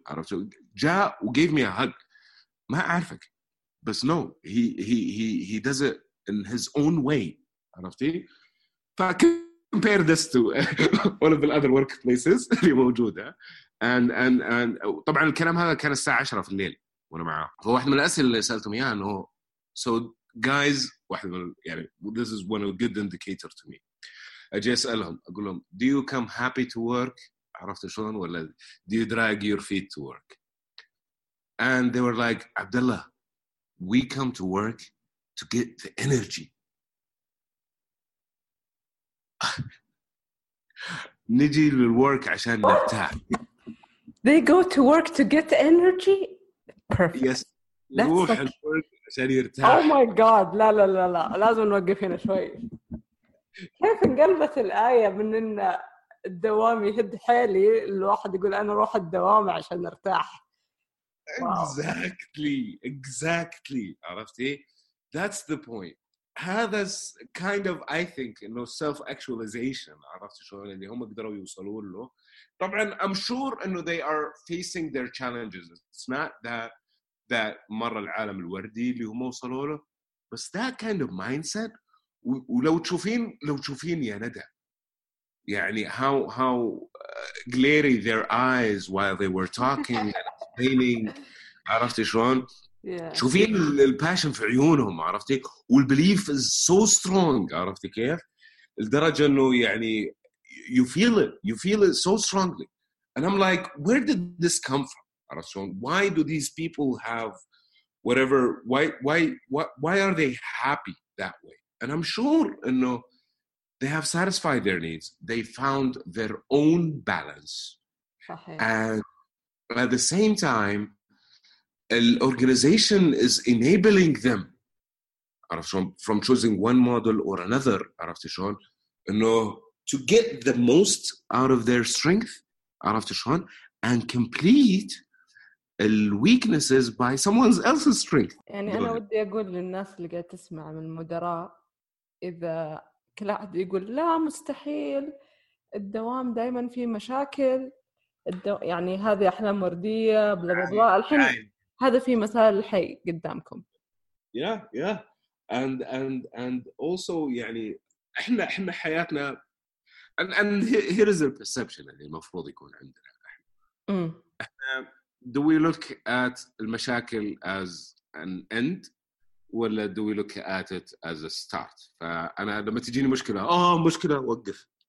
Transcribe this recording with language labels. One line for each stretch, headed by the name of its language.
Arabic: عرفت, جاء و
English: gave me a hug.
Arabic: ما أعرفك, بس
English: no, he does it in his own way.
Arabic: عرفتي؟ ف
English: compare this to one of the other workplaces
Arabic: اللي موجودة. And طبعا الكلام هذا كان الساعة 10 في الليل وانا معاه. فواحد من الأسئلة اللي سألتهم إياه إنه,
English: so guys,
Arabic: واحد من, يعني
English: this is one of a good indicator to me.
Arabic: أجي أسألهم, أقول لهم,
English: do you come happy to work,
Arabic: عرفت شلون, ولا
English: do you drag your feet to work? And they were like, Abdullah, we come to work to get the energy.
Arabic: نجي للورك عشان نرتاح.
English: They go to work to get the energy? Perfect. Yes. That's
Arabic: like... عشان يرتاح.
English: Oh my God.
Arabic: لا لا لا لا. لازم نوقف هنا شوي. كيف انقلبت الآية من إن الدوام يهد حالي الواحد يقول أنا روح الدوام عشان نرتاح.
English: Exactly. Exactly.
Arabic: عرفتي؟
English: That's the point.
Arabic: هذا
English: kind of I think
Arabic: إنه self actualization عرفت شلون اللي هم قدروا يوصلوا له. طبعاً
English: I'm sure إنه they are facing their challenges. It's not that
Arabic: مر العالم الوردي اللي هم وصلوا له.
English: بس that kind of mindset
Arabic: ولو تشوفين يا ندى يعني
English: how glary their eyes while they were talking and explaining
Arabic: عرفت شلون.
English: Yeah. شوفي الباشن في عيونهم
Arabic: عرفتي والبليف
English: is so strong
Arabic: عرفتي كيف الدرجة انه يعني
English: you feel it so strongly and I'm like where did this come from
Arabic: عرفت شون
English: why do these people have whatever why are they happy that way and I'm sure انه they have satisfied their needs they found their own balance
Arabic: صحيح.
English: And at the same time the organization is enabling them from choosing one model or another
Arabic: عرفت شلون انه
English: to get the most out of their strength عرفت شلون and complete the weaknesses by someone else's strength.
Arabic: يعني انا ودي اقول للناس اللي قاعد تسمع من المدراء اذا كل احد يقول لا مستحيل الدوام دائما فيه مشاكل يعني هذه احلام ورديه بلا بلا بلا الحين هذا في مثال الحي قدامكم.
English: Yeah, yeah. And also
Arabic: يعني إحنا حياتنا
English: and here is the perception
Arabic: اللي المفروض يكون عندنا.
English: Do we look at المشاكل as an end ولا do we look at it as a start؟
Arabic: فأنا لما تجيني مشكلة مشكلة وقف.